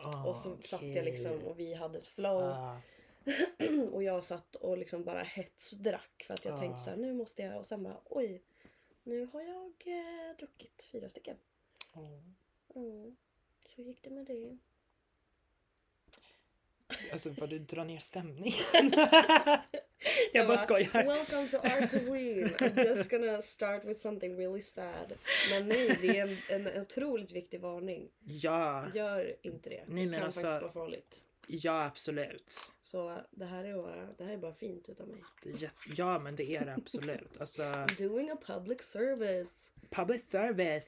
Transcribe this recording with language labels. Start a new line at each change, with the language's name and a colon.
Swedish: Och så satt jag liksom, och vi hade ett flow. Och jag satt och liksom bara hetsdrack. För att jag tänkte så här, nu måste jag. Och sen bara, oj, nu har jag druckit 4 stycken. Så gick det med det. Alltså, vad du drar ner stämningen. Jag bara skojar.
English: Welcome to Art of Ween. I'm just gonna start with something really sad.
Swedish: Men nej, det är en otroligt viktig varning. Ja. Gör inte det. Nej, det kan alltså, faktiskt vara farligt. Ja, absolut. Så det här är bara fint utav mig. Ja, men det är det absolut. Alltså,
English: doing a public service. Public service.